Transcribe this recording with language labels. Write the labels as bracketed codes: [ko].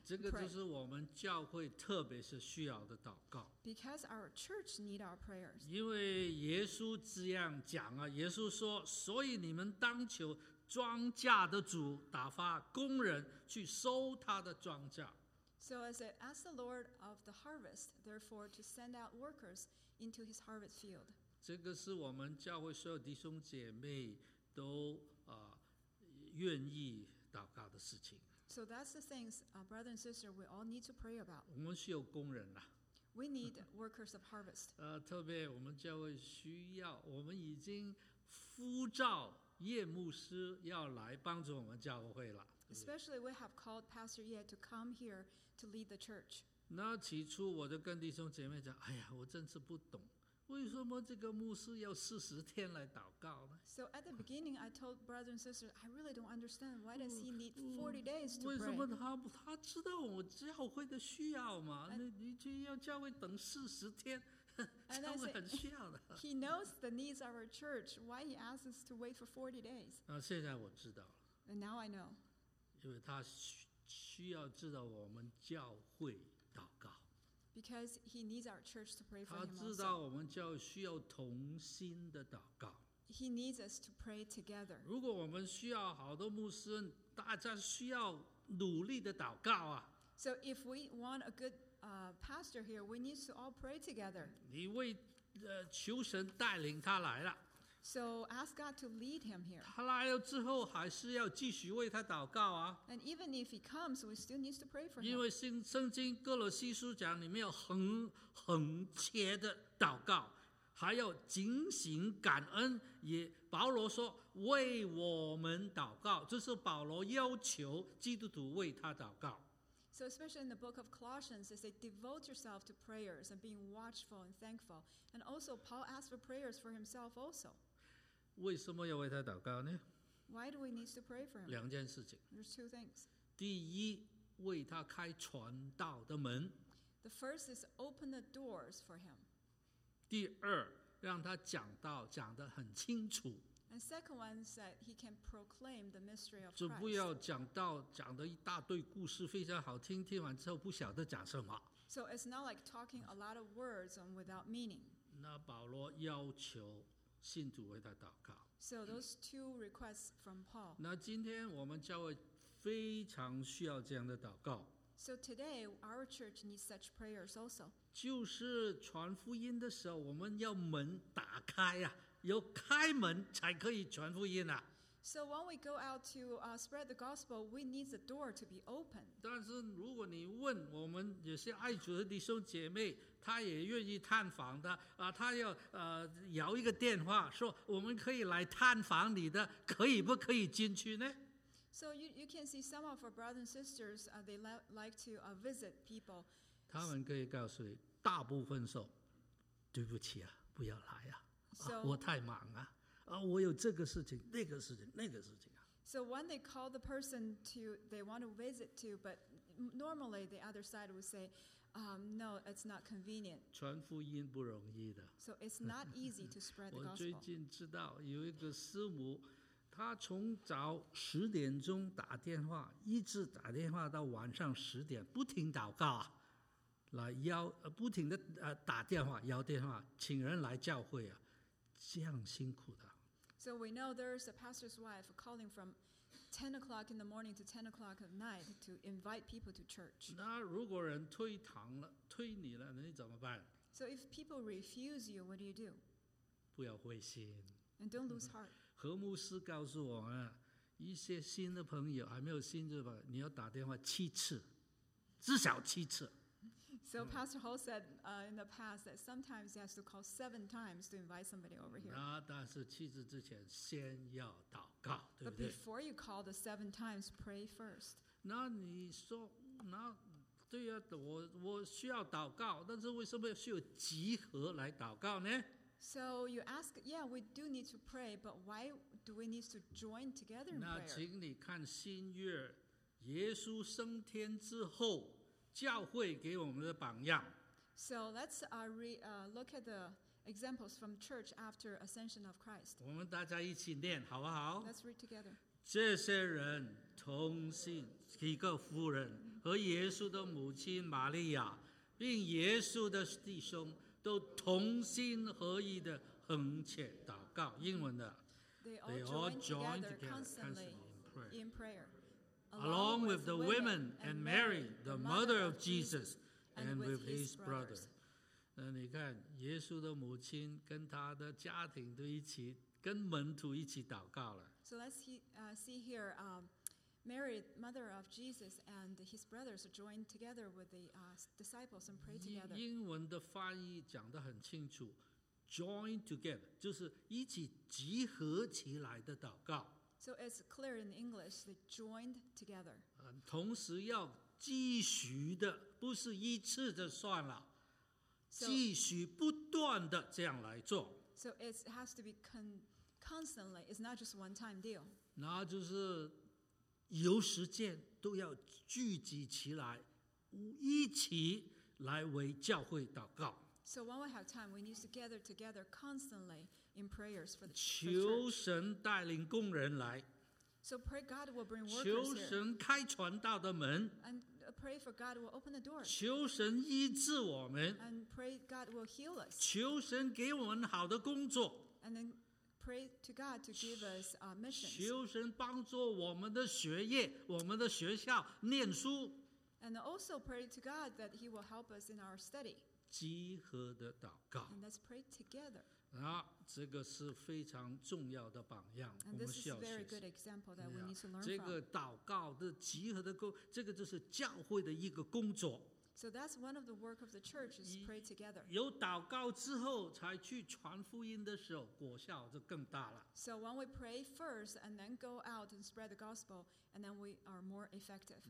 [zh] 这个就是我们教会特别是需要的祷告。 [en] Because our church need our prayers. [zh] 因为耶稣这样讲啊，耶稣说，所以你们当求庄稼的主打发工人去收他的庄稼。 [en] So as it asks the Lord of the harvest, therefore to send out workers into his harvest field. [zh] 这个是我们教会所有弟兄姐妹都愿意祷告的事情。 [en] So that's the things, brother and sister, we all need to pray about. [zh] 我们需要工人啦。 [en] We need workers of harvest. [zh] 特别我们教会需要，我们已经呼召叶牧师要来帮助我们教会了。对不对？ [en] Especially we have called Pastor Ye to come here to lead the church. [zh] 那起初我就跟弟兄姐妹讲，哎呀，我真是不懂，为什么这个牧师要四十天来祷告呢？ [en] So at the beginning, I told brothers and sisters, I really don't understand. Why does he need 40 days to pray? [zh] 为什么他知道我教会的需要吗？你就要教会等四十天，教会很需要的。 [en] He knows the needs of our church. Why he asks us to wait for 40 days? [zh] 现在我知道了。 [en] And now I know. [zh] 因为他需要知道我们教会祷告。 [en] Because he needs our church to pray for him also. [zh] 他知道我们教会需要同心的祷告。 [en] He needs us to pray together. [zh] 如果我们需要好的牧师，大家需要努力的祷告啊。 [en] So if we want a good pastor here, we need to all pray together. [zh] 你为求神带领他来了。 [en] So ask God to lead him here. [zh] 他来了之后还是要继续为他祷告啊。 [en] And even if he comes, we still need to pray for him. [zh] 因为圣经哥罗西书讲里面有恒切的祷告，还要警醒感恩。也保罗说为我们祷告，这是保罗要求基督徒为他祷告。 [en] So especially in the book of Colossians, they say, devote yourself to prayers and being watchful and thankful. And also, Paul asked for prayers for himself also. [zh] 为什么要为他祷告呢？ [en] Why do we need to pray for him? [zh] 两件事情。 [en] There's two things. [zh] 第一，为他开传道的门。 [en] The first is open the doors for him. [zh] 第二，让他讲道讲得很清楚。 [en] And second one is that he can proclaim the mystery of Christ. [zh] 就不要讲到讲的一大堆故事非常好听，听完之后不晓得讲什么。 [en] So it's not like talking a lot of words and without meaning. [zh] 那保罗要求信徒为他祷告。 [en] So those two requests from Paul. [zh] 那今天我们教会非常需要这样的祷告。 [en] So today, our church needs such prayers also. [zh] 就是传福音的时候，我们要门打开啊。有开门才可以传福音啊。 [en] So when we go out to spread the gospel, we need the door to be open. [zh] 但是如果你问我们有些爱主的弟兄姐妹，他也愿意探访的啊，他要摇一个电话说我们可以来探访你的，可以不可以进去呢？ [en] So you can see some of our brothers and sisters, they like to visit people. [zh] 他们可以告诉你，大部分说对不起啊，不要来啊。 [en] So, [zh] 啊、我太忙啊，啊，我有这个事情，那个事情，那个事情啊。 [en] So when they call the person to they want to visit to, but normally the other side would say, no, it's not convenient. [zh] 传福音不容易的。 [en] So it's not easy to spread the gospel. [zh] 我最近知道有一个师母，她从早十点钟打电话，一直打电话到晚上十点，不停祷告啊，来邀不停的打电话邀电话，请人来教会啊。这样辛苦的。 [en] So we know there's a pastor's wife calling from 10 o'clock in the morning to 10 o'clock at night to invite people to church. [zh] 那如果人推堂了，推你了，你怎么办？ [en] So if people refuse you, what do you do? [zh] 不要灰心。 [en] And don't lose heart. [zh] 何牧师告诉我们，一些新的朋友还没有新的朋友，你要打电话七次，至少七次。 [en] So Pastor Ho said in the past that sometimes he has to call seven times to invite somebody over here. [zh] 但是七次之前先要祷告，对不对？ [en] But before you call the seven times, pray first. [zh] 那你说，那对呀、啊，我需要祷告，但是为什么需要集合来祷告呢？ [en] So you ask, yeah, we do need to pray, but why do we need to join together in prayer? [zh] 那请你看新约，耶稣升天之后。教会给我们的榜样。 [en] So let's look at the examples from church after ascension of Christ. [zh] 我们大家一起念好不好？ [en] Let's read together. [zh] 这些人同信几个妇人和耶稣的母亲玛利亚，并耶稣的弟兄，都同心合意的恒切祷告。英文的。 [en] They all join together constantly in prayer. Along with the women and Mary, the mother of Jesus, and with his brother. [zh] 那你看，耶稣的母亲跟他的家庭都一起，跟门徒一起祷告了。 [en] So let's see here, Mary, mother of Jesus, and his brothers joined together with the disciples and prayed together. [zh] 英文的翻译讲得很清楚 ， [en] join together [zh] 就是一起集合起来的祷告。 [en] So it's clear in English, they joined together. [zh] 同时要继续的，不是一次就算了。继续不断的这样来做。 [en] So it has to be constantly. It's not just one time deal. [zh] 那就是有时间都要聚集起来，一起来为教会祷告。 [en] So when we have time, we need to gather together constantly in prayers for the church. [zh] 求神带领工人来。 [en] So pray God will bring workers. [zh] 求神开传道的门。 [en] And pray for God will open the door. [zh] 求神医治我们。 [en] And pray God will heal us. [zh] 求神给我们好的工作。 [en] And then pray to God to give us missions. [zh] 求神帮助我们的学业，我们的学校念书。 [en] And also pray to God that He will help us in our study. [zh] 集合的祷告。 [en] And let's pray together. [zh] 啊，这个是非常重要的榜样，我们需要学习。 [en] And this is a very good example that we need to learn from. [zh] 这个祷告的集合的工，这个就是教会的一个工作。 [en] So that's one of the work of the church is pray together. [zh] 有祷告之后才去传福音的时候，果效就更大了。 [en] So when we pray first and then go out and spread the gospel, and then we are more effective.